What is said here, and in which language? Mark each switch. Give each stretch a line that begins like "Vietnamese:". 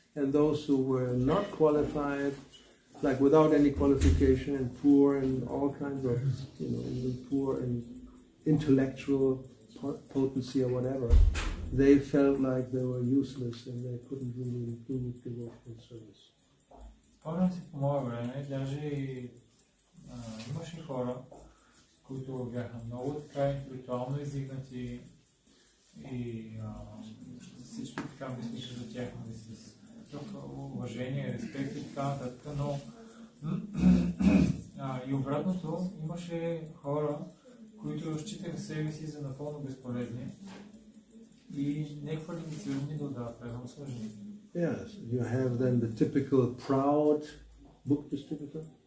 English: And those who were not qualified, like without any qualification and poor and all kinds of, even poor and intellectual potency or whatever, they felt like they were useless and they couldn't really do the devotional service.
Bulgarian: Спомням си по мое време, даже имаше хора, които бяха много така интелектуално издигнати и всичко така мислиха за тях, с уважение, респект и така нататък, но и обратното, имаше хора, които считаха себе си за напълно безполезни и неквалифицирани да отдават предано служение.
English: Yes, you have then the typical proud book distributor.